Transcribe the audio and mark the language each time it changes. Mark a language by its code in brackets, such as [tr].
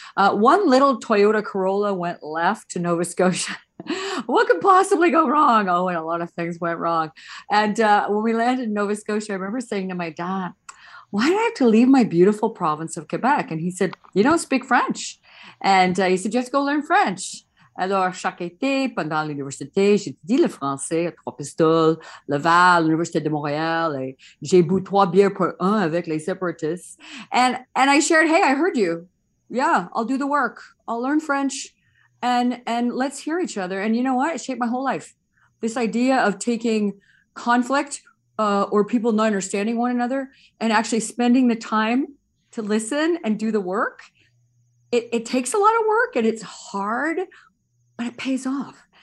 [en] One little Toyota Corolla went left to Nova Scotia. What could possibly go wrong? Oh, and a lot of things went wrong. And when we landed in Nova Scotia, I remember saying to my dad, why did I have to leave my beautiful province of Quebec? And he said, you don't speak French. And he said, you have to go learn French. [fr] Alors, chaque été, pendant l'université, j'étudie le français à Trois Pistoles, Laval, l'Université de Montréal, et j'ai bu trois bières pour un avec les séparatistes. [en] And I shared, hey, I heard you. Yeah, I'll do the work. I'll learn French. And let's hear each other. And you know what? It shaped my whole life. This idea of taking conflict or people not understanding one another and actually spending the time to listen and do the work, it takes a lot of work and it's hard, but it pays off.